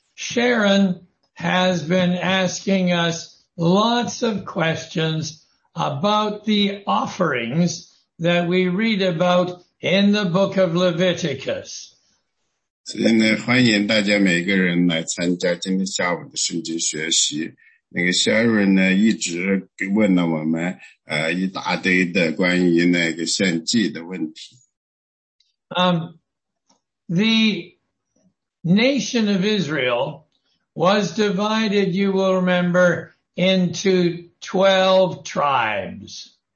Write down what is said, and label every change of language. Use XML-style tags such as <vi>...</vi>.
<en>Sharon has been asking us lots of questions about the offerings that we read about in the book of Leviticus.</en> <zh>所以呢，欢迎大家每个人来参加今天下午的圣经学习。那个Sharon呢，一直问了我们一大堆的关于那个献祭的问题。</zh> <en>The nation of Israel was divided, you will remember, into 12 tribes.</en>